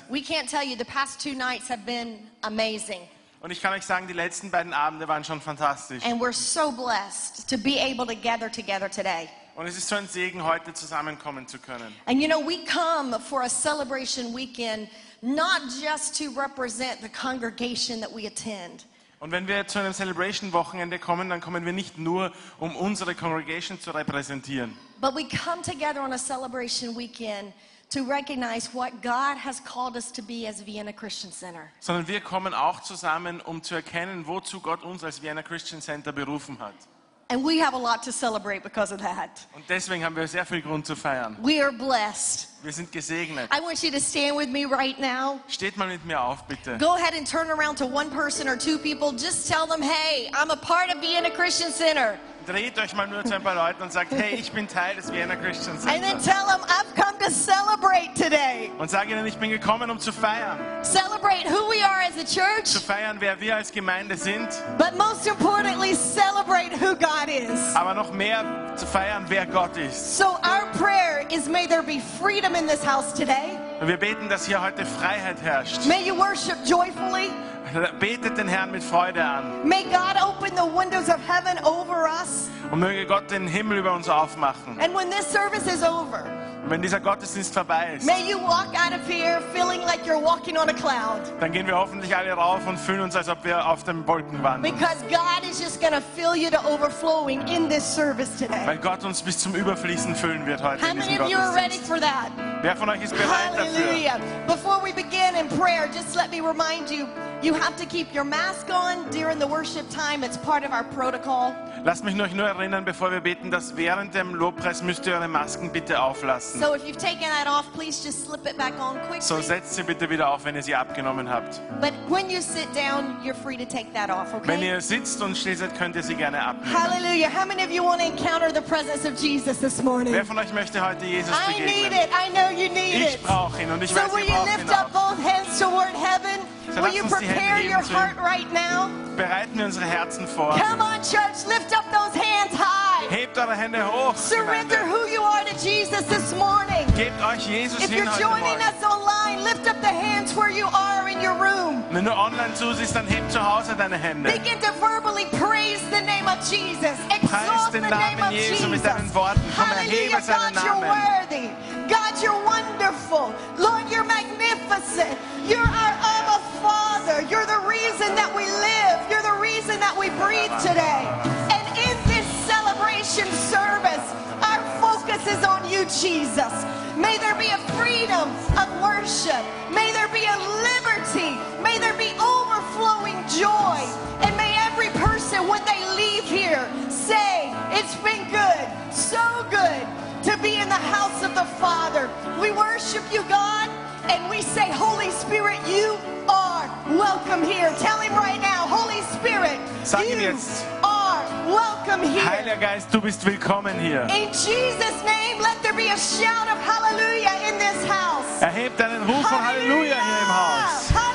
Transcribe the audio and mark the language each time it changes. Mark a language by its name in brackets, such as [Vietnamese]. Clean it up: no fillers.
[English] We can't tell you, the past two nights have been amazing. [German] Und ich kann euch sagen, die letzten beiden Abende waren schon fantastisch. [English] And we're so blessed to be able to gather together today. [German] Und es ist so ein Segen, heute zusammenkommen zu können. [English] And you know, we come for a celebration weekend, not just to represent the congregation that we attend. [German] Und wenn wir zu einem Celebration Wochenende kommen, dann kommen wir nicht nur, um unsere Congregation zu repräsentieren. [English] But we come together on a celebration weekend to recognize what God has called us to be as Vienna Christian Center. [German] Sondern wir kommen auch zusammen, um zu erkennen, wozu Gott uns als Vienna Christian Center berufen hat. [English] And we have a lot to celebrate because of that. [German] Und deswegen haben wir sehr viel Grund zu feiern. [English] We are blessed. [German] Wir sind gesegnet. [English] I want you to stand with me right now. [German] Steht mal mit mir auf, bitte. [English] Go ahead and turn around to one person or two people. Just tell them, hey, I'm a part of Vienna Christian Center. [German] Dreht euch mal nur zu ein paar Leuten und sagt, hey, ich bin Teil des Vienna Christian Center. [English] And then tell them, I've come to celebrate today. [German] Und sag ihnen, ich bin gekommen, um zu feiern. [English] Celebrate who we are as a church. [German] Zu feiern, wer wir als Gemeinde sind. [English] But most importantly, celebrate who God is. [German] Aber noch mehr zu feiern, wer Gott ist. [English] So our prayer is, may there be freedom in this house today. [German] Und wir beten, dass hier heute Freiheit herrscht. [English] May you worship joyfully. [German] Betet den Herrn mit Freude an. [English] May God open the windows of heaven over us. [German] Und möge Gott den Himmel über uns aufmachen. [English] And when this service is over, [German] wenn dieser Gottesdienst vorbei ist, [English] may you walk out of here feeling like you're walking on a cloud. [German] Dann gehen wir hoffentlich alle rauf und fühlen uns, als ob wir auf den Wolken wandeln. [English] Because God is just going to fill you to overflowing in this service today. [German] Weil Gott uns bis zum Überfließen füllen wird heute. [English] How many of you are ready for that? [German] Wer von euch ist bereit dafür? [English] Hallelujah. Before we begin in prayer, just let me remind you, you have to keep your mask on during the worship time. It's part of our protocol. [German] Lasst mich euch nur erinnern, bevor wir beten, dass während dem Lobpreis müsst ihr eure Masken bitte auflassen. [English] So if you've taken that off, please just slip it back on quickly. [German] So setzt sie bitte wieder auf, wenn ihr sie abgenommen habt. [English] But when you sit down, you're free to take that off, okay? [German] Wenn ihr sitzt und still seid, könnt ihr sie gerne abnehmen. [English] Hallelujah. How many of you want to encounter the presence of Jesus this morning? [German] Wer von euch möchte heute Jesus begegnen? [English] I need it. I know you need it. [German] Ich brauche ihn und ich so weiß, [English] will you lift up both hands toward heaven? Will you prepare your heart right now? [German] Bereiten wir unsere Herzen vor. [English] Come on, church, lift up those hands high. [German] Hebt eure Hände hoch. [English] Surrender who you are to Jesus this morning. [German] Gebt euch Jesus hin heute [English] If you're joining us online, lift up the hands where you are in your room. [German] Wenn du online zusiehst, dann hebt zu Hause deine Hände. [English] Begin to verbally praise the name of Jesus. Exalt the name of Jesus. [German] Preist den Namen Jesu mit deinen Worten. [English] Hallelujah, God, you're worthy. God, you're wonderful. Lord, you're magnificent. You're our Abba Father. You're the reason that we live. You're the reason that we breathe today. And in this celebration service, our focus is on you, Jesus. May there be a freedom of worship. May there be a liberty. May there be overflowing joy. And may every person, when they leave here, say, it's been good, so good, to be in the house of the Father. We worship you, God, and we say, Holy Spirit, you are welcome here. Tell him right now, Holy Spirit, [German] sag ihm jetzt, [English] you are welcome here. [German] Heiliger Geist, du bist willkommen hier. [English] In Jesus' name, let there be a shout of hallelujah in this house. [German] Erhebt einen Ruf von Halleluja hier im Haus.